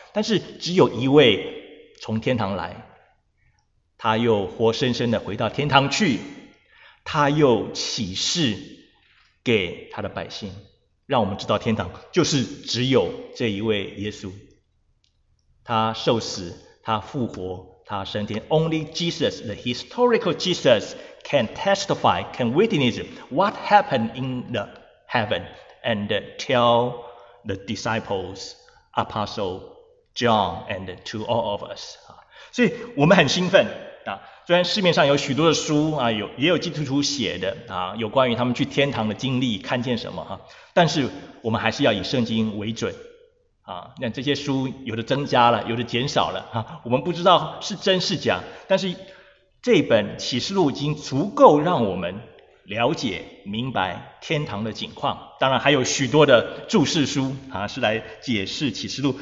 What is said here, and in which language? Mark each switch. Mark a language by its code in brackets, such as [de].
[zh] 但是只有一位从天堂来，他又活生生的回到天堂去，他又启示给他的百姓，让我们知道天堂就是只有这一位耶稣，他受死，他复活，他升天。 [en] Only Jesus, the historical Jesus, can testify, can witness what happened in the heaven and tell the disciples, Apostle John and to all of us. [zh] 所以我们很兴奋啊，虽然市面上有许多的书啊，也有基督徒写的啊，有关于他们去天堂的经历，看见什么哈、啊，但是我们还是要以圣经为准啊。那这些书有的增加了，有的减少了啊，我们不知道是真是假，但是这本启示录已经足够让我们了解明白天堂的景况，当然还有许多的注释书啊，是来解释启示录。